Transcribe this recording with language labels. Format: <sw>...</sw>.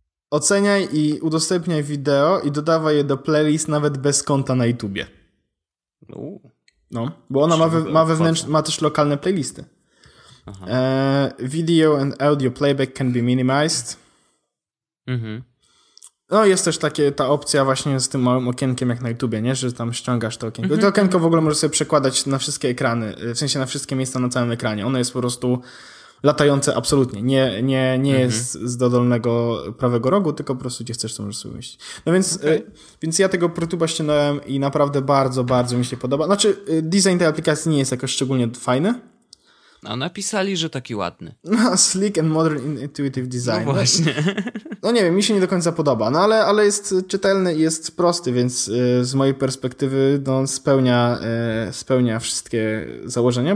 <pl>Oceniaj i udostępniaj wideo i dodawaj je do playlist nawet bez konta na YouTubie. No, bo ona ma wewnętrzne, ma też lokalne playlisty.</pl> <en>Video and audio playback can be minimized.</en> <pl>No jest też takie, ta opcja właśnie z tym małym okienkiem jak na YouTubie, nie? Że tam ściągasz to okienko. To okienko w ogóle możesz sobie przekładać na wszystkie ekrany, w sensie na wszystkie miejsca na całym ekranie. Ono jest po prostu latające absolutnie. Nie jest z dodolnego prawego rogu, tylko po prostu gdzie chcesz, to możesz sobie umieścić. No więc, więc ja tego ProTube'a ściągnąłem i naprawdę bardzo, bardzo mi się podoba. Znaczy, design tej aplikacji nie jest jakoś szczególnie fajny. A napisali, że taki ładny.</pl> <en>No, sleek and modern intuitive design.</en> <pl>No właśnie. No nie wiem, mi się nie do końca podoba, no ale, ale jest czytelny i jest prosty, więc z mojej perspektywy no, spełnia wszystkie założenia.</pl>